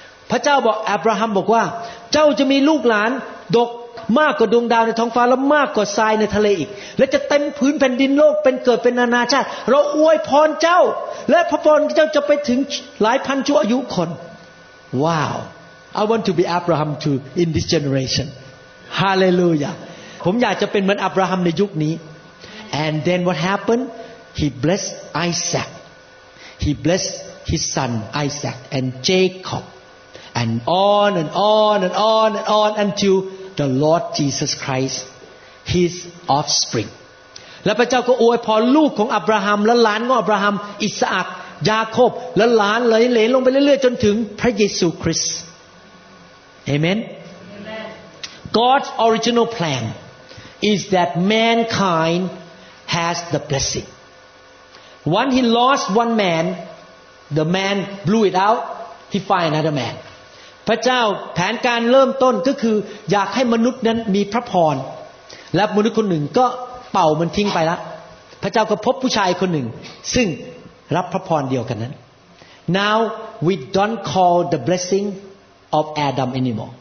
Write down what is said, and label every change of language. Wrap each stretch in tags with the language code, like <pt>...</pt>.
<th>พระเจ้าบอกอับราฮัมบอกว่าเจ้าจะมีลูกหลานดกมากกว่าดวงดาวในท้องฟ้าและมากกว่าทรายในทะเลอีกและจะเต็มพื้นแผ่นดินโลกเป็นเกิดเป็นนานาชาติเราอวยพรเจ้าและพระพรเจ้าจะไปถึงหลายพันชั่วอายุคน</th> <en>Wow. I want to be Abraham too in this generation. Hallelujah.</en> <th>ผมอยากจะเป็นเหมือนอับราฮัมในยุคนี้</th> <en>And then what happened? He blessed Isaac. He blessed his son Isaac and Jacob. And on and on and on and on until the Lord Jesus Christ, his offspring.</en> <th>และพระเจ้าก็อวยพรลูกของอับราฮัมและหลานของอับราฮัมอิสอัคยาโคบและหลานเหลนลงไปเรื่อยๆจนถึงพระเยซูคริสต์Amen?</th> <en>Amen. God's original plan is that mankind has the blessing. When he lost one man, the man blew it out, he find another man.</en> <th>พระเจ้าแผนการเริ่มต้นก็คืออยากให้มนุษย์นั้นมีพระพรและมนุษย์คนหนึ่งก็เป่ามันทิ้งไปแล้วพระเจ้าก็พบผู้ชายคนหนึ่งซึ่งรับพระพรเดียวกันนั้น</th> <en>Now we don't call the blessingOf Adam anymore.</en>